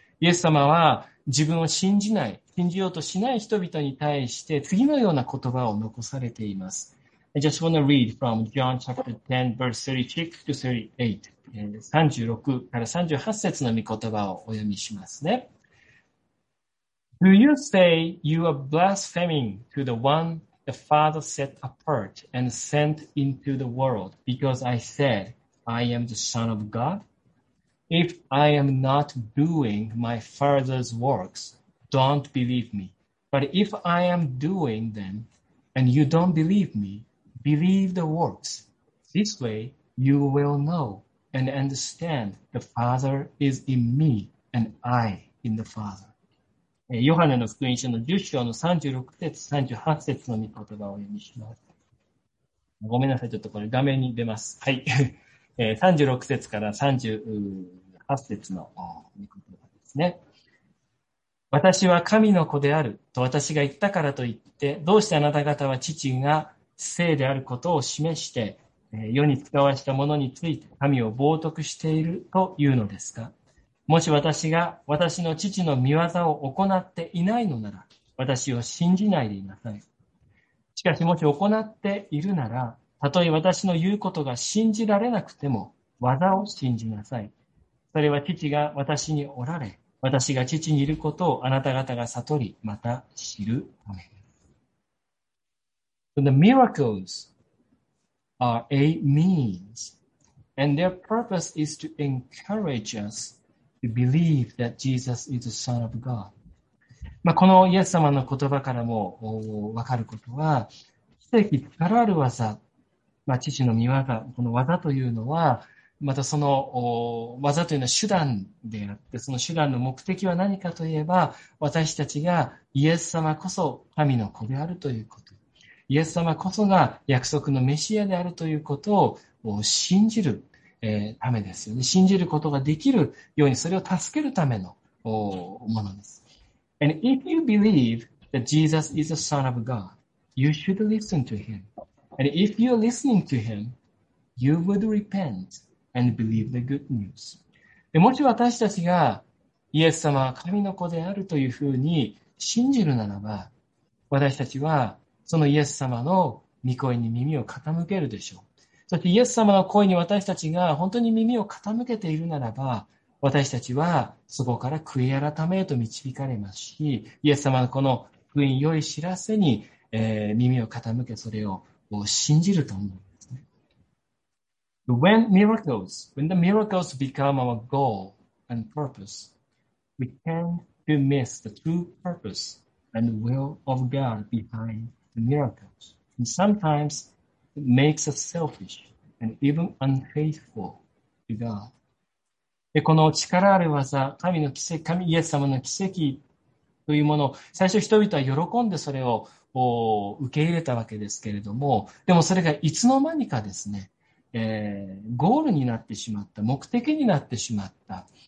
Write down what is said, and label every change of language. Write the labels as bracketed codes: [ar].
[ja] イエス様は自分を信じない、信じようとしない人々に対して次のような言葉を残されています。 [en] I just want to read from John chapter 10 verse 36 to 38. [ja] 36から38節の御言葉をお読みしますね。 [en] Do you say you are blaspheming to the one the Father set apart and sent into the world because I said I am the Son of God? If I am not doing my Father's works, don't believe me. But if I am doing them and you don't believe me, believe the works. This way you will know and understand the Father is in me and I in the Father. [ja] ヨハネの福音書の10章の36節38節の御言葉を読みします。ごめんなさい、ちょっとこれ画面に出ます。はい、36節から38節の御言葉ですね。私は神の子であると私が言ったからといって、どうしてあなた方は父が聖であることを示して世に使わしたものについて神を冒涜しているというのですか。もし私が私の父の御業を行っていないのなら、私を信じないでいなさい。しかしもし行っているなら、たとえ私の言うことが信じられなくても、業を信じなさい。それは父が私におられ、私が父にいることをあなた方が悟り、また知るため。 [en] The miracles are a means, and their purpose is to encourage us. To believe that Jesus is the Son of God. [ja] このイエス様の言葉からも分かることは、奇跡、力ある技、父の御業、この技というのは、またその技というのは手段であって、その手段の目的は何かといえば、私たちがイエス様こそ神の子であるということ、イエス様こそが約束のメシアであるということを信じる。ためですよね。信じることができるように、それを助けるためのものです。 [en] And if you believe that Jesus is the Son of God, you should listen to him. And if you are listening to him, you would repent and believe the good news. [ja] でもし私たちがイエス様は神の子であるというふうに信じるならば、私たちはそのイエス様の御声に耳を傾けるでしょう。そしてイエス様の声に私たちが本当に耳を傾けているならば、私たちはそこから悔い改めへと導かれますし、イエス様のこの福音、良い知らせに、耳を傾け、それを信じると思うんですね。 [en] When the miracles become our goal and purpose, we tend to miss the true purpose and will of God behind the miracles. And sometimes,makes us selfish and even unfaithful to God. [ja] で、この力ある技、神の奇跡、神、イエス様の奇跡というものを、最初人々は喜んでそれを受け入れたわけですけれども、でもそれがいつの間にかですね、ゴールになってしまった、目的になってしまった。